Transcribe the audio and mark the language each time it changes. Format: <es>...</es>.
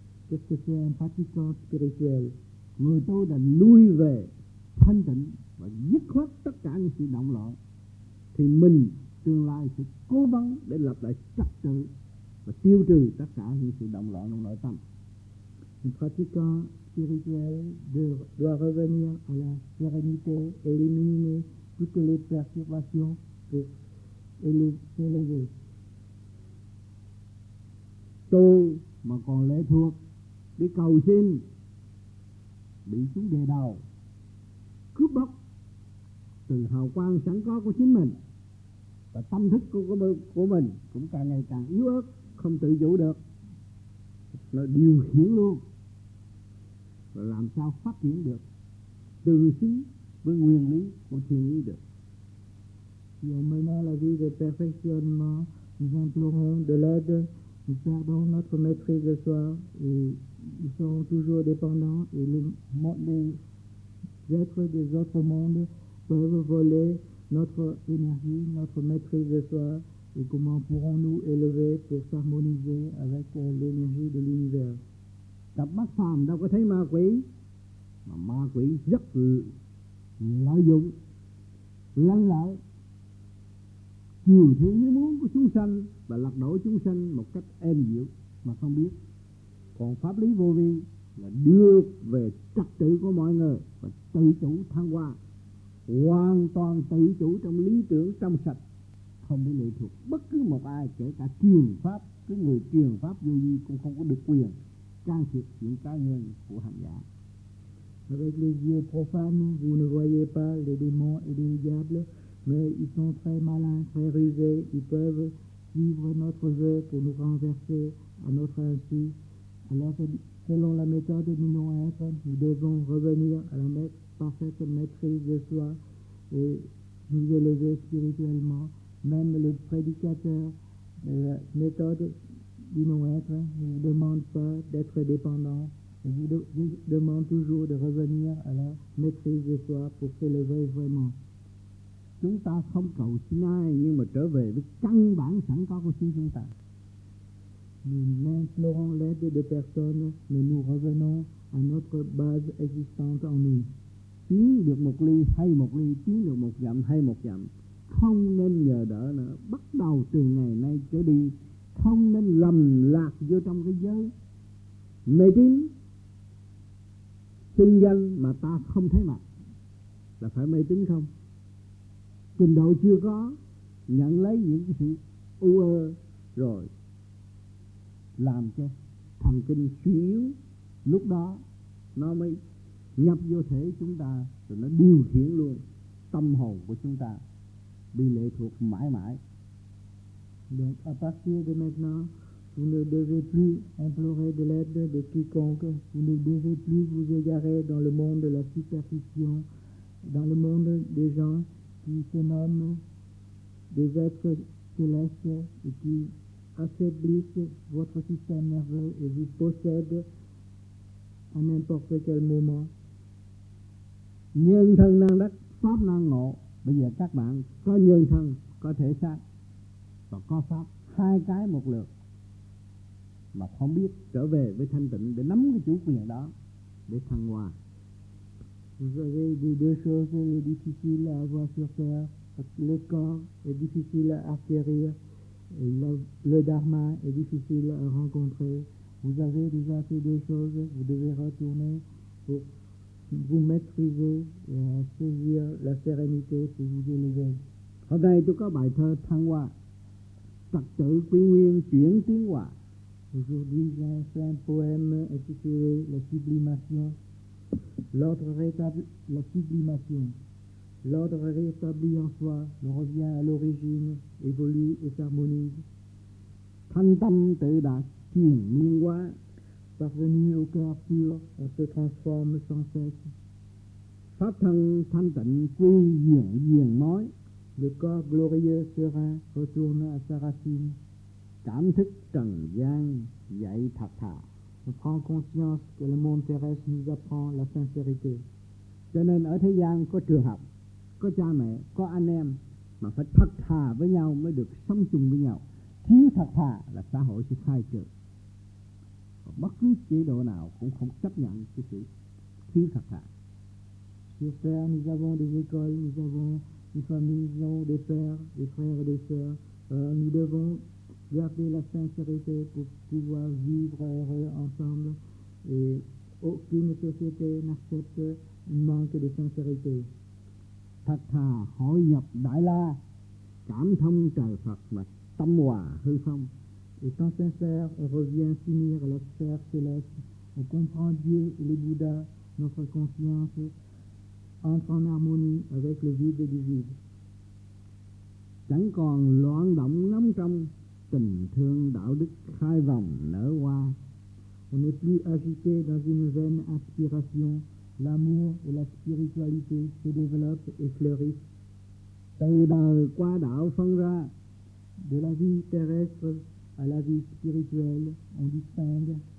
<fr>Qu'est-ce que c'est un pratiquant spirituel?</fr> <vi>Người tôi là lui về thanh tịnh và dứt khoát tất cả những sự động loạn, thì mình tương lai sẽ cố gắng để lập lại trật tự và tiêu trừ tất cả những sự động loạn trong nội tâm.</vi> <fr>Un pratiquant spirituel doit revenir à la sérénité, éliminer toutes les perturbations pour s'élever.</fr> <vi>Tôi mà còn lệ thuộc đi cầu xin bị chúng đè đầu, cướp bóc từ hào quang sẵn có của chính mình, và tâm thức của mình cũng càng ngày càng yếu ớt, không tự chủ được, nó điều khiển luôn. Và làm sao phát triển được từ xứng với nguyên lý của thiên ý được? Dù mới nói là vì cái</vi> <fr>perfection</fr> <vi>mà</vi> <fr>simplement de l'aide du pardon notre maîtrise de soi, et ils sont toujours dépendants, et le monde, les êtres des autres mondes peuvent voler notre énergie, notre maîtrise de soi, et comment pourrons-nous élever pour s'harmoniser avec l'énergie de l'univers?</fr> <vi>Cặp mắt phàm đâu có thấy ma quỷ, mà ma quỷ rất lợi dụng, lăn lại nhiều thứ ý muốn của chúng sanh và lật đổ chúng sanh một cách êm dịu mà không biết. Còn pháp lý vô vi là đưa về trật tự của mọi người và tự chủ thăng hoa, hoàn toàn tự chủ trong lý tưởng trong sạch, không bị lệ thuộc bất cứ một ai, kể cả truyền pháp. Cái người truyền pháp vô vi cũng không có được quyền can thiệp những cá nhân của hành giả.</vi> <fr>Avec les yeux profanes, vous ne voyez pas les démons et les diables, mais ils sont très malins, très rusés, ils peuvent suivre notre jeu pour nous renverser à notre insu. Alors, selon la méthode du non-être, nous devons revenir à la parfaite maîtrise de soi et nous élever spirituellement. Même le prédicateur de la méthode du non-être ne vous demande pas d'être dépendant. On vous demande toujours de revenir à la maîtrise de soi pour s'élever vraiment.</fr> <vi>Chúng ta không cầu xin ai, nhưng mà trở về với căn bản sẵn có của chính chúng ta.</vi> <fr>Nous n'implorons l'aide de personne, mais nous revenons à notre base existante en nous.</fr> <vi>Tiến được một ly hay một ly, tiến được một dặm hay một dặm, không nên nhờ đỡ nữa. Bắt đầu từ ngày nay trở đi, không nên lầm lạc vô trong cái giới mê tín sinh danh mà ta không thấy mặt. Là phải mê tín không? Trình độ chưa có, nhận lấy những cái sự u ơ rồi làm cho thần kinh suy yếu, lúc đó nó mới nhập vô thể chúng ta, rồi nó điều khiển luôn tâm hồn của chúng ta, bị lệ thuộc mãi mãi.</vi> <fr>Donc à partir de maintenant, vous ne devez plus implorer de l'aide de quiconque, vous ne devez plus vous égarer dans le monde de la superstition, dans le monde des gens qui se nomment des êtres célestes et qui affaiblissent votre système nerveux et vous possèdent à n'importe quel moment.</fr> <vi>Nhân thân năng đắc, pháp năng ngộ. Bây giờ các bạn có nhân thân, có thể xác và có pháp, hai cái một lượt, mà không biết trở về với thanh tịnh để nắm cái chủ quyền đó để thăng hoa.</vi> <fr>Vous avez des deux choses difficiles à avoir sur terre. Le corps est difficile à acquérir. Le dharma est difficile à rencontrer. Vous avez déjà ces deux choses. Vous devez retourner pour vous maîtriser et saisir la sérénité pour vous élever.</fr> <vi>Hôm nay tôi có bài thơ thăng hoa. Trật tự quy nguyên chuyển tiến hoa.</vi> <fr>Aujourd'hui, j'ai un poème intitulé La sublimation. La sublimation. L'ordre rétabli en soi revient à l'origine, évolue et s'harmonise.</fr> <vi>Thanh tâm tự đạt thiền miên hóa.</vi> <fr>Parvenu au cœur pur, on se transforme sans cesse.</fr> <vi>Pháp thân thanh tịnh quy diện diện nói.</vi> <fr>Le corps glorieux serein retourne à sa racine.</fr> <vi>Cảm thức trần gian dạy thật thà.</vi> <fr>On prend conscience que le monde terrestre nous apprend la sincérité.</fr> <vi>Cho nên ở thế gian có trường học, có cha mẹ, có anh em, mà phải thật thà với nhau mới được sống chung với nhau. Thiếu thật thà là xã hội sẽ khai trừ. Và bất cứ chế độ nào cũng không chấp nhận cái sự thiếu thật thà.</vi> <fr>Sur terre, nous avons des écoles, nous avons une famille, nous avons des pères, des frères et des sœurs. Nous devons garder la sincérité pour pouvoir vivre heureux ensemble. Et aucune société n'accepte un manque de sincérité.</fr> <vi>Thật thà hội nhập đại la, cảm thông trời Phật mà tâm hòa hư không.</vi> <fr>Et sans sincère, on revient s'unir à la sphère céleste. On comprend Dieu et les Bouddhas, notre conscience entre en harmonie avec le vide du vide.</fr> <vi>Chẳng còn loạn động lắm trong tình thương đạo đức khai vòng nở hoa.</vi> <fr>On n'est plus agité dans une vaine aspiration. L'amour et la spiritualité se développent et fleurissent.</fr> <vi>Từ đời qua đạo phân ra,</vi> <fr>de la vie terrestre à la vie spirituelle, on distingue</fr>